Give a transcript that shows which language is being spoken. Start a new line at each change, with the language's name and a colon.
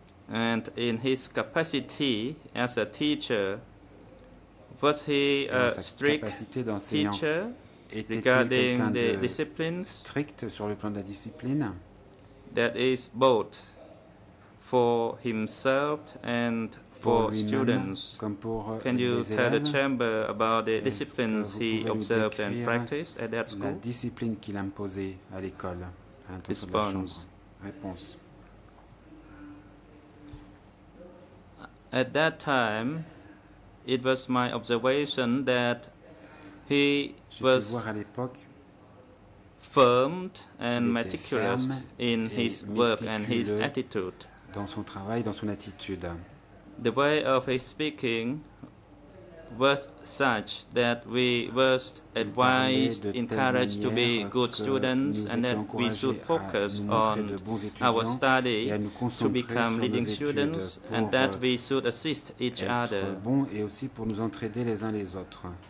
English: and in his capacity as a teacher, was he a strict teacher regarding the disciplines?
French: Strict sur le plan de la discipline?
English: That is both for himself and for students.
French: Comme pour
English: can you
French: élèves?
English: Tell the chamber about the disciplines he observed and practiced at that school?
French: La discipline qu'il imposait à l'école, à l'intention de la chambre. Réponse.
English: At that time, it was my observation that he was firm and meticulous in his work and his attitude.
French: Dans son travail, dans son attitude.
English: The way of his speaking was such that we were advised, encouraged to be good students, and that we should focus on our study to become leading students, and that we should assist each other.
French: Bon et aussi pour nous entraider les uns les autres.